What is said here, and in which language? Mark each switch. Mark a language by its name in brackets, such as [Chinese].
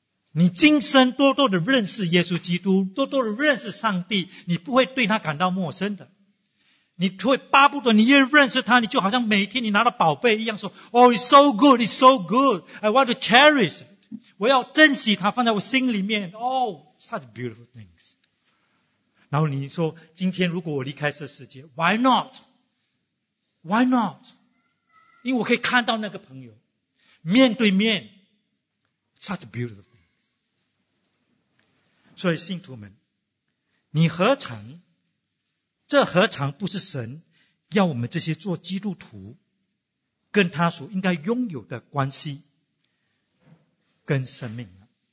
[Chinese] 你今生多多的认识耶稣基督，多多的认识上帝，你不会对他感到陌生的。你会巴不得你越认识他，你就好像每天你拿了宝贝一样说 [English] Oh, it's so good, it's so good, I want to cherish it. [Chinese] 我要珍惜他放在我心里面。 [English] Oh, such beautiful things. [Chinese] 然后你说今天如果我离开这世界 [English] Why not? Why not? [Chinese] 因为我可以看到那个朋友面对面。 [English] Such beautiful。 [Chinese] 所以信徒们，你何尝，这何尝不是神要我们这些做基督徒跟他所应该拥有的关系跟生命呢？